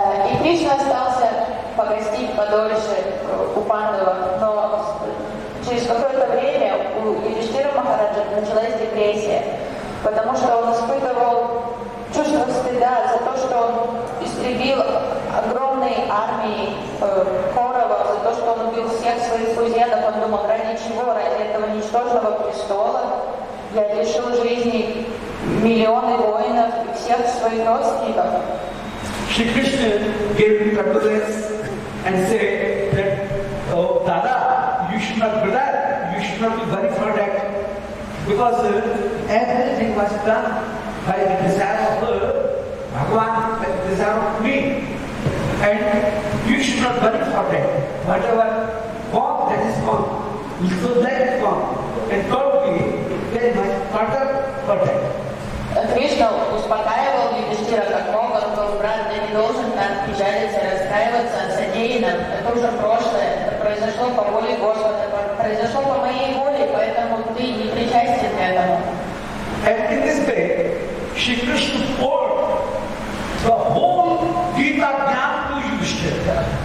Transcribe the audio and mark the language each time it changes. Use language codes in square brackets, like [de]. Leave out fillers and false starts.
[ru] И Кришна остался погостить подольше у Пандава, но через какое-то время у Юдиштхира Махараджа началась депрессия, потому что он испытывал чувство стыда за то, что он истребил огромные армии Кауравов, за то, что он убил всех своих кузенов. Он думал, ради чего, ради этого ничтожного престола я лишил жизни миллионы воинов и всех своих родственников. [en] Шри Кришна gave him condolence and said that, oh, Dada, you should not do that, you should not be worried for that. Because everything was done by the desire of Bhagavan, by the desire of me. And you should not worry for that. Whatever form that is gone, so let it gone. And don't be very much further for that. [ru] Кришна успокаивал Юдиштхира как мог, он говорил: брат, ты не должен так печалиться, раскаиваться, содеянным. Это уже прошлое, это произошло по воле Господа, произошло по моей воле, поэтому ты не причастен к этому. [en] And in this way, Shri Krishna poured the whole Gita Gyan to Yudhishthira.